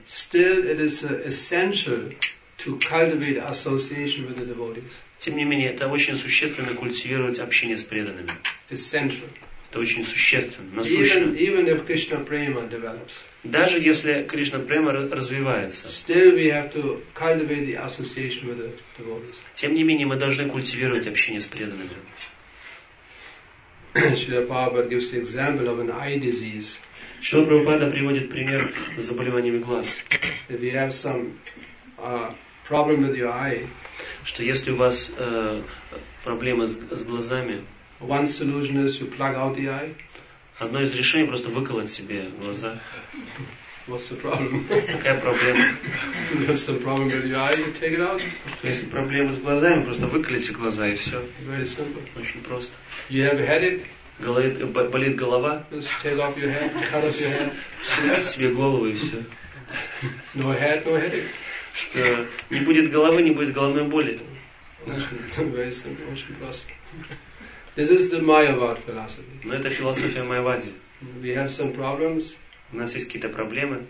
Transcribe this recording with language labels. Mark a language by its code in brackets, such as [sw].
[en] Still, it is essential to cultivate association with the devotees. [ru] Тем не менее, это очень существенно культивировать общение с преданными. [en] Essential. [ru] Это очень существенно, насущно. [en] Even if Krishna prema develops. [ru] Даже если Кришна према развивается. [en] Still we have to cultivate the association with the devotees. [ru] Тем не менее, мы должны культивировать общение с преданными. [en] Srila Prabhupada gives the example of an eye disease. [ru] Srila Prabhupada приводит пример с заболеваниями глаз. [en] If you have some problem with your eye, [ru] что если у вас проблемы с глазами, [en] one solution is you plug out the eye. [ru] Одно из решений просто выколоть себе глаза. [en] What's the problem? [ru] Какая проблема? [en] You have some problem with your eye, you take it out? [ru] Что если проблема с глазами, просто выколите глаза и все. [en] Very simple. [ru] Очень просто. [en] You have a headache? [ru] Болит голова? [en] Just take off your head, cut off your head. [ru] Снимите себе голову и все. [en] No head, no headache. [ru] Что не будет головы, не будет головной боли. [en] Very simple, [ru] очень просто. [en] This is the Mayavad philosophy. [ru] Но это философия Майявады. [en] We have some problems. [ru] У нас есть какие-то проблемы.